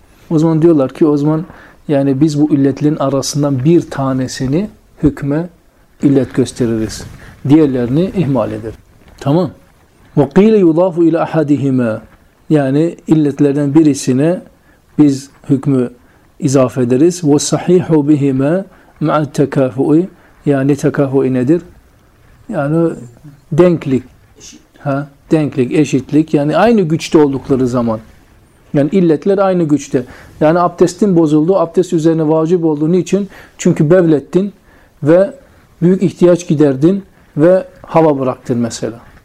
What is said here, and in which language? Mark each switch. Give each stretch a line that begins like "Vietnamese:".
Turkish: O zaman diyorlar ki o zaman yani biz bu illetlerin arasından bir tanesini hükme illet gösteririz. Diğerlerini ihmal eder. Tamam.
Arabic: وَقِيلَ يُضَافُ اِلَى اَحَدِهِمَا
Turkish: Yani illetlerden birisine biz hükmü izaf ederiz.
Arabic: وَالصَّحِيحُ بِهِمَا مَعَ التَّكَافُئِ
Turkish: Yani tekafu'i nedir? Yani denklik. Ha? Denklik, eşitlik. Yani aynı güçte oldukları zaman. Yani illetler aynı güçte. Yani abdestin bozuldu, abdest üzerine vacip oldu. Niçin? Çünkü bevlettin ve büyük ihtiyaç giderdin ve hava bıraktın mesela.